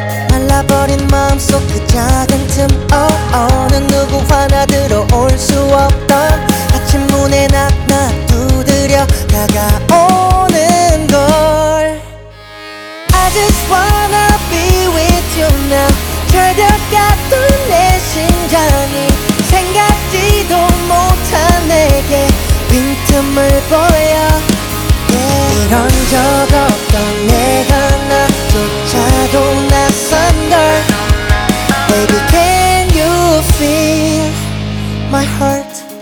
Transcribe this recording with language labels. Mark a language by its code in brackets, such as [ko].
[ko] 말라버린 마음속 그 작은 틈, 어느 누구와나 들어올 수 없던 아침 문에 낙낙 두드려 다가오는 걸. [en] I just wanna be with you now. [ko] 절벽 같은 내 심장이 생각지도 못한 내게 빈틈을 보여. 이런 적 없던 내가 나조차도 낯선 걸. [en] Baby, can you feel my heart?